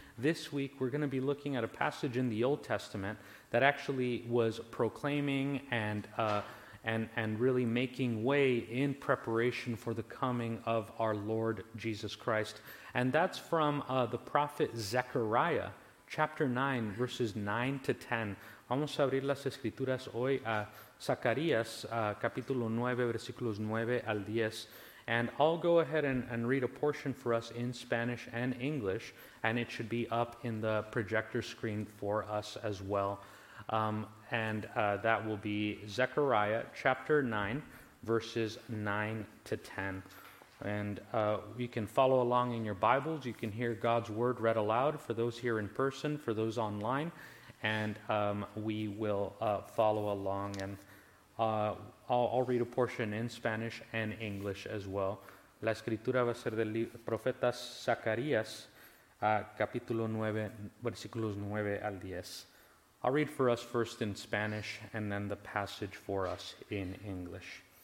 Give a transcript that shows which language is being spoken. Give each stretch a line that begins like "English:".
English: This week we're going to be looking at a passage in the Old Testament that actually was proclaiming and really making way in preparation for the coming of our Lord Jesus Christ. And that's from the prophet Zechariah, chapter 9, verses 9 to 10.
Spanish: Vamos a abrir las escrituras hoy a Zacarías, capítulo 9, versículos 9 al 10.
English: And I'll go ahead and read a portion for us in Spanish and English, and it should be up in the projector screen for us as well. That will be Zechariah chapter 9, verses 9 to 10. And you can follow along in your Bibles. You can hear God's word read aloud for those here in person, for those online. And we will follow along. And I'll read a portion in Spanish and English as well.
Spanish: La escritura va a ser del profeta Zacarías, capítulo 9, versículos 9 al 10.
English: I'll read for us first in Spanish and then the passage for us in English.